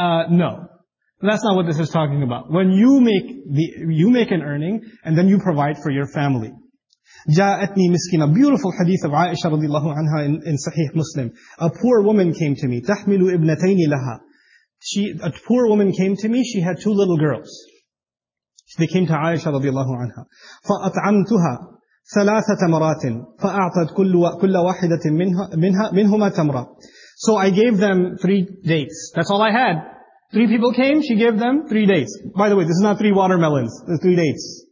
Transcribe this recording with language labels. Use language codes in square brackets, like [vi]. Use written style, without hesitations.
[en] No. That's not what this is talking about. When you make an earning, and then you provide for your family. [ar] جاءتني مسكينة. [en] Beautiful hadith of Aisha radiallahu anha in Sahih Muslim. A poor woman came to me. [ar] تحمل ابنتين لها. [en] A poor woman came to me, she had 2 little girls. They came to Aisha radiallahu anha. [ar] فأطعمتها ثلاثة مرات. فأعطت كل واحدة منها منهما تمرة. [en] So I gave them 3 dates. That's all I had. 3 people came, she gave them 3 dates. By the way, this is not 3 watermelons, it's 3 dates.